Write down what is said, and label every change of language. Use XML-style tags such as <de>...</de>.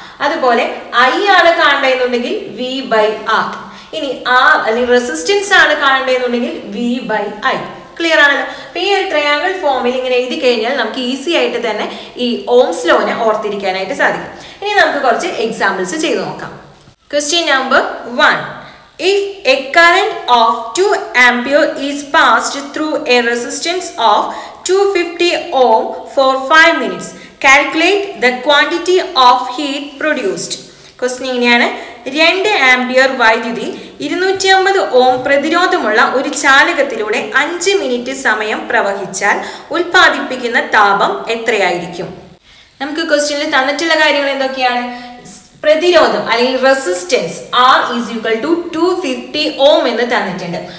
<ml>അതുപോലെ ഐ ആണ് കാണേണ്ടതെന്നുണ്ടെങ്കിൽ V by R. ഇനി ആർ അല്ലെങ്കിൽ റെസിസ്റ്റൻസ് ആണ് കാണേണ്ടതെന്നുണ്ടെങ്കിൽ വി ബൈ ഐ. ക്ലിയർ ആണല്ലോ. അപ്പൊ ഈ ഒരു ട്രയാങ്കിൾ ഫോമിൽ ഇങ്ങനെ എഴുതി കഴിഞ്ഞാൽ നമുക്ക് ഈസി ആയിട്ട് തന്നെ ഈ ഓംസ് ലോനെ ഓർത്തിരിക്കാനായിട്ട് സാധിക്കും. ഇനി നമുക്ക് കുറച്ച് എക്സാമ്പിൾസ് ചെയ്ത് നോക്കാം. Question number 1.</ml> <en>If a current of 2 ampere is passed through a resistance of 250 ohm for 5 minutes, calculate the quantity of heat produced.</en> <ml>Question ഇങ്ങനെയാണ്, 2 ampere വൈദ്യുതി 250 ohm പ്രതിരോധമുള്ള ഒരു ചാലകത്തിലൂടെ 5 മിനിറ്റ് സമയം പ്രവഹിച്ചാൽ ഉൽപ്പാദിപ്പിക്കുന്ന താപം എത്രയായിരിക്കും? നമുക്ക് ക്വസ്റ്റ്യനിൽ തന്നിട്ടുള്ള കാര്യങ്ങൾ എന്തൊക്കെയാണ്? പ്രതിരോധം അല്ലെങ്കിൽ resistance R is equal to 250 ഓം എന്ന് തന്നിട്ടുണ്ട്.</ml>